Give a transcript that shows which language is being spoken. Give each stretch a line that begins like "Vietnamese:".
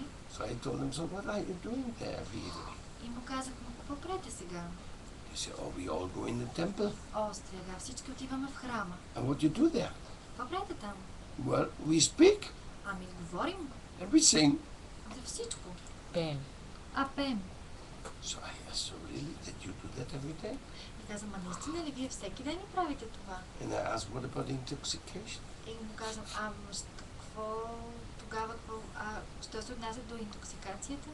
English: So I told him, so what are you doing there, really?
Bulgarian: И му казах, но какво правите сега?
English: He said, oh, we all go in the temple.
Bulgarian: Острега, всички отиваме в храма.
English: And what do you do there?
Bulgarian: Какво правите там?
English: Well, we speak.
Bulgarian: Ами говорим.
English: And we sing.
Bulgarian: За всичко. Пеем. А пеем.
English: So I asked, so really, did you do that every day?
Bulgarian: И казвам, а наистина ли вие всеки ден правите това?
English: And I asked, what about intoxication?
Bulgarian: И му казвам, а какво тогава, що се отнася до интоксикацията?